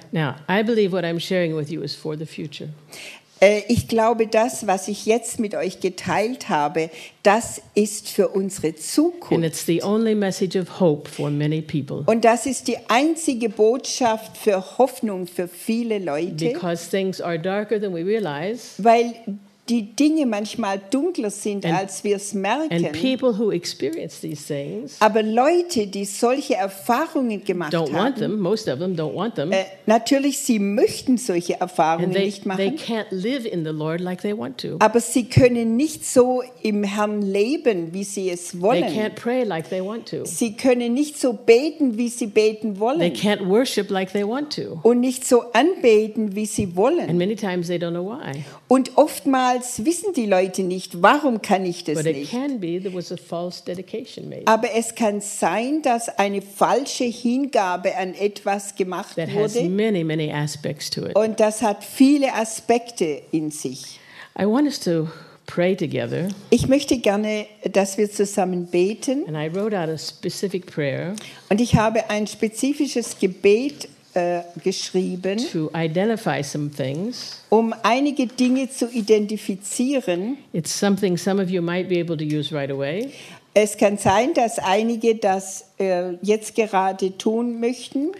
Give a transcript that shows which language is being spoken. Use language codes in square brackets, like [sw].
[en] Now, I believe what I'm sharing with you is for the future. [de] Ich glaube, das, was ich jetzt mit euch geteilt habe, das ist für unsere Zukunft. [en] And it's the only message of hope for many people. [de] Und das ist die einzige Botschaft für Hoffnung für viele Leute. [en] Because things are darker than we realize. [de] Weil die Dinge manchmal dunkler sind, als wir es merken. [en] And people who experience these things, [de] aber Leute, die solche Erfahrungen gemacht [en] don't [de] haben, [en] want them. Most of them don't want them. [de] Natürlich, sie möchten solche Erfahrungen nicht machen. [en] They can't live in the Lord like they want to. [de] Aber sie können nicht so im Herrn leben, wie sie es wollen. [en] They can't pray like they want to. [de] Sie können nicht so beten, wie sie beten wollen. [en] They can't worship like they want to. [de] Und nicht so anbeten, wie sie wollen. [en] And many times they don't know why. [de] Und oftmals wissen die Leute nicht, warum kann ich das [en] but it [de] nicht? [en] Can be there was a false dedication made. [de] Aber es kann sein, dass eine falsche Hingabe an etwas gemacht [en] that [de] wurde. [en] Has many, many aspects to it. [de] Und das hat viele Aspekte in sich. [en] I want us to pray together. [de] Ich möchte gerne, dass wir zusammen beten. [en] And I wrote out a specific prayer. [de] Und ich habe ein spezifisches Gebet geschrieben, [en] to identify some things, [de] um einige Dinge zu identifizieren. [en] It's something some of you might be able to use right away. [de] Es kann sein, dass einige das jetzt gerade tun möchten.